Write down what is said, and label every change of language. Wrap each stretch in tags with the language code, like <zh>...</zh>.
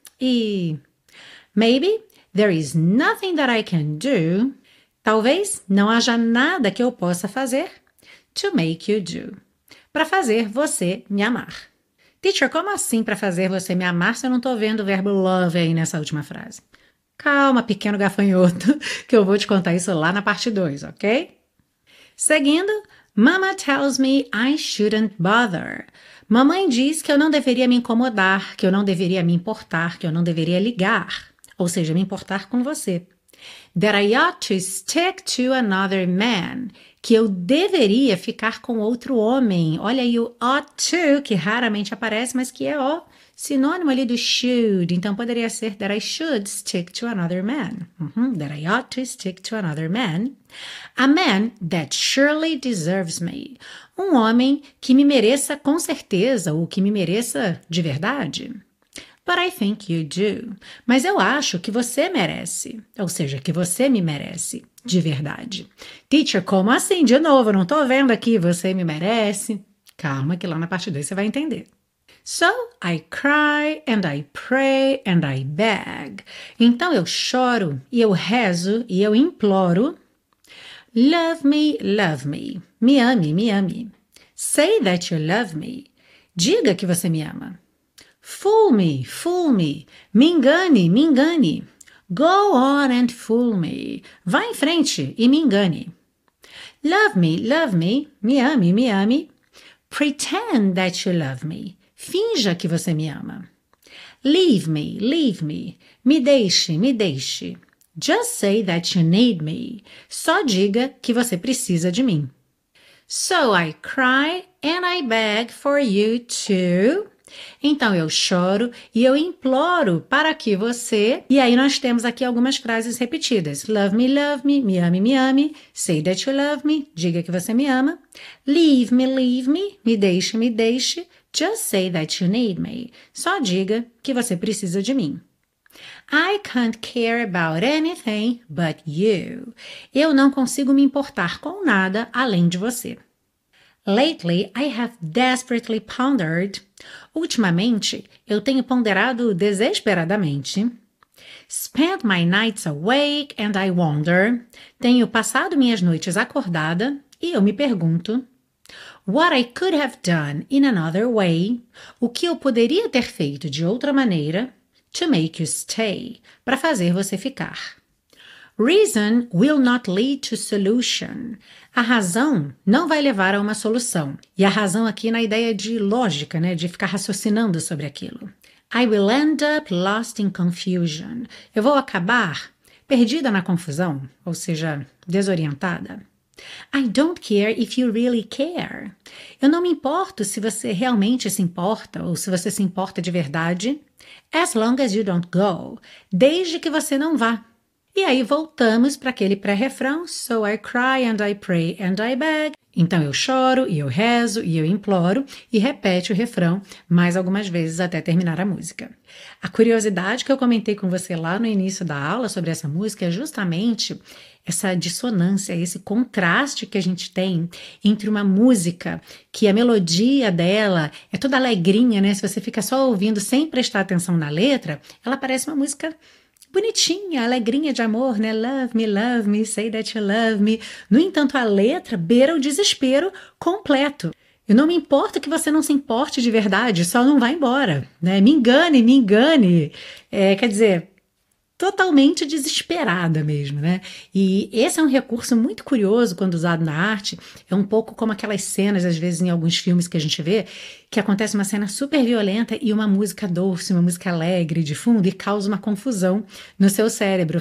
<en>E maybe there is nothing that I can do.</en> <pt>Talvez não haja nada que eu possa fazer</pt> <en>to make you do.</en> <pt>Para fazer você me amar. Teacher, como assim para fazer você me amar se eu não estou vendo o verbo love aí nessa última frase? Calma, pequeno gafanhoto, que eu vou te contar isso lá na parte 2, ok? Seguindo,</pt> <en>Mama tells me I shouldn't bother.</en> <pt>Mamãe diz que eu não deveria me incomodar, que eu não deveria me importar, que eu não deveria ligar, ou seja, me importar com você.</pt> <en>That I ought to stick to another man.</en> <pt>Que eu deveria ficar com outro homem. Olha aí o ought to, que raramente aparece, mas que é o sinônimo ali do should. Então poderia ser</pt> <en>that I should stick to another man. That I ought to stick to another man. A man that surely deserves me.</en> <pt>Um homem que me mereça com certeza, ou que me mereça de verdade.</pt> <en>But I think you do.</en> <pt>Mas eu acho que você merece. Ou seja, que você me merece de verdade. Teacher, como assim? De novo, não estou vendo aqui. Você me merece. Calma, que lá na parte 2 você vai entender.</pt> <en>So I cry and I pray and I beg.</en> <pt>Então eu choro e eu rezo e eu imploro.</pt> <en>Love me, love me.</en> <pt>Me ame, me ame.</pt> <en>Say that you love me.</en> <pt>Diga que você me ama.</pt> <en>Fool me, fool me.</en> <pt>Me engane, me engane.</pt> <en>Go on and fool me.</en> <pt>Vá em frente e me engane.</pt> <en>Love me, love me.</en> <pt>Me ame, me ame.</pt> <en>Pretend that you love me.</en> <pt>Finja que você me ama.</pt> <en>Leave me, leave me.</en> <pt>Me deixe, me deixe.</pt> <en>Just say that you need me.</en> <pt>Só diga que você precisa de mim.</pt> <en>So I cry and I beg for you to.</en> <pt>Então eu choro e eu imploro para que você. E aí nós temos aqui algumas frases repetidas.</pt> <en>Love me,</en> <pt>me ame, me ame.</pt> <en>Say that you love me,</en> <pt>diga que você me ama.</pt> <en>Leave me,</en> <pt>me deixe, me deixe.</pt> <en>Just say that you need me.</en> <pt>Só diga que você precisa de mim.</pt> <en>I can't care about anything but you.</en> <pt>Eu não consigo me importar com nada além de você.</pt> <en>Lately, I have desperately pondered.</en> <pt>Ultimamente, eu tenho ponderado desesperadamente.</pt> <en>Spent my nights awake and I wonder.</en> <pt>Tenho passado minhas noites acordada e eu me pergunto.</pt> <en>What I could have done in another way.</en> <pt>O que eu poderia ter feito de outra maneira.</pt> <en>To make you stay.</en> <pt>Para fazer você ficar.</pt> <en>Reason will not lead to solution.</en> <pt>A razão não vai levar a uma solução. E a razão aqui na ideia de lógica, né? De ficar raciocinando sobre aquilo.</pt> <en>I will end up lost in confusion.</en> <pt>Eu vou acabar perdida na confusão, ou seja, desorientada.</pt> <en>I don't care if you really care.</en> <pt>Eu não me importo se você realmente se importa ou se você se importa de verdade.</pt> <en>As long as you don't go.</en> <pt>Desde que você não vá. E aí voltamos para aquele pré-refrão.</pt> <en>So I cry and I pray and I beg.</en> <pt>Então eu choro e eu rezo e eu imploro. E repete o refrão mais algumas vezes até terminar a música. A curiosidade que eu comentei com você lá no início da aula sobre essa música é justamente essa dissonância, esse contraste que a gente tem entre uma música que a melodia dela é toda alegrinha, né? Se você fica só ouvindo sem prestar atenção na letra, ela parece uma música bonitinha, alegrinha de amor, né?</pt> <en>Love me, say that you love me.</en> <pt>No entanto, a letra beira o desespero completo. Eu não me importo que você não se importe de verdade, só não vá embora, né? Me engane, me engane. É, quer dizer, totalmente desesperada mesmo, né? E esse é um recurso muito curioso quando usado na arte. É um pouco como aquelas cenas, às vezes, em alguns filmes que a gente vê, que acontece uma cena super violenta e uma música doce, uma música alegre de fundo e causa uma confusão no seu cérebro.</pt>